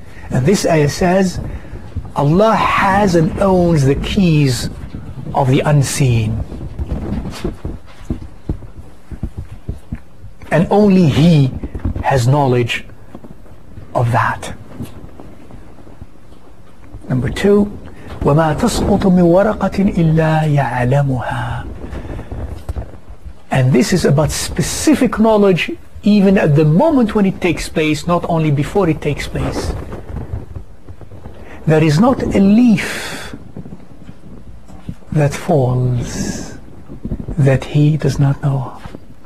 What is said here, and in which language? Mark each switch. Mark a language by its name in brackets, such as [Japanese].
[English] And this ayah says, Allah has and owns the keys of the unseen. And only He has knowledge of that. Number two, [Arabic] وَمَا تَسْقُطُ مِنْ وَرَقَةٍ إِلَّا يَعْلَمُهَا. [English] And this is about specific knowledge, even at the moment when it takes place, not only before it takes place. There is not a leaf that falls that He does not know of.